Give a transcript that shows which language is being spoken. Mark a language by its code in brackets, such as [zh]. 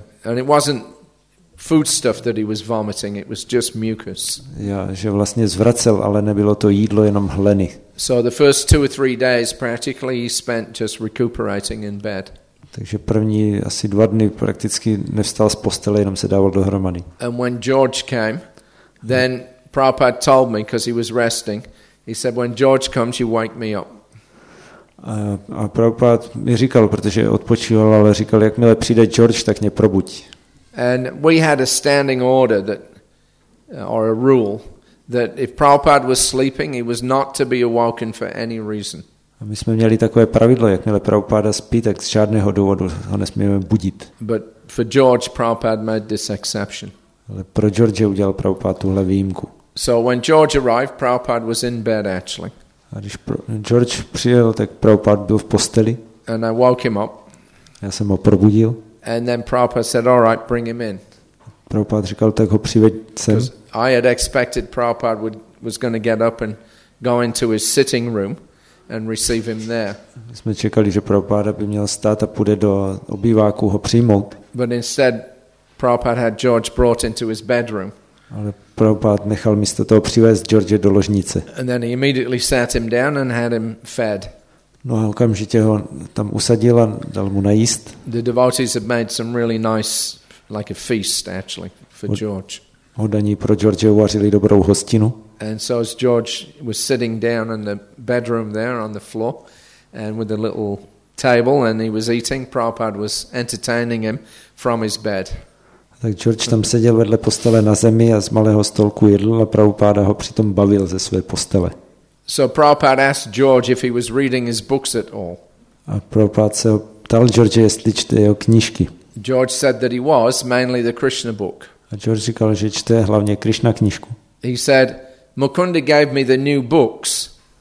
[en] Yeah. And it wasn't food stuff that he was vomiting, it was just mucus. [cs] Yeah, že vlastně zvracel, ale nebylo to jídlo, jenom hleny. [en] So the first two or three days practically he spent just recuperating in bed. [cs] Takže první asi dva dny prakticky nevstal z postele, jenom se dával dohromady. [en] And when George came, then Prabhupada told me, because he was resting, he said, when George comes, you wake me up. [cs] A Prabhupada mi říkal, protože odpočíval, ale říkal, jakmile přijde George, tak mě probuď. [en] And we had a standing order that, or a rule, that if Prabhupada was sleeping, he was not to be awoken for any reason. [cs] A my jsme měli takové pravidlo, jakmile Prabhupada spí, tak z žádného důvodu ho nesmíme budit. [en] But for George, Prabhupada made this exception. [cs] Ale pro George udělal Prabhupada tuhle výjimku. [en] So when George arrived, Prabhupada was in bed actually. [cs] A když George přijel, tak Prabhupada byl v posteli. [en] And I woke him up. [cs] Já jsem ho probudil. [en] And then Prabhupada said, "All right, bring him in." [cs] Prabhupada říkal, tak ho přiveď sem. [en] Because I had expected Prabhupada was going to get up and go into his sitting room and receive him there. [cs] My jsme čekali, že Prabhupada by měl stát a půjde do obýváku ho přijmout. [en] But instead, Prabhupada had George brought into his bedroom. [cs] Ale Prabhupada nechal místo toho přivést George do ložnice. [en] And then he immediately sat him down and had him fed. [cs] No a okamžitě ho tam usadil a dal mu najíst. [en] The devotees had made some really nice, like a feast actually, for George. [cs] Oddaní pro George uvařili dobrou hostinu. [en] And so as George was sitting down in the bedroom there on the floor and with a little table and he was eating, Prabhupada was entertaining him from his bed. [cs] Tak George tam seděl vedle postele na zemi a z malého stolku jedl a Prabhupada ho přitom bavil ze své postele. [en] So Prabhupada asked George if he was reading his books at all. [cs] A Prabhupada se ptal George, jestli čte jeho knížky. [en] George said that he was mainly the Krishna book. [cs] A George říkal, že čte hlavně Krishna knížku. [en] He said Mukunda gave me the new books.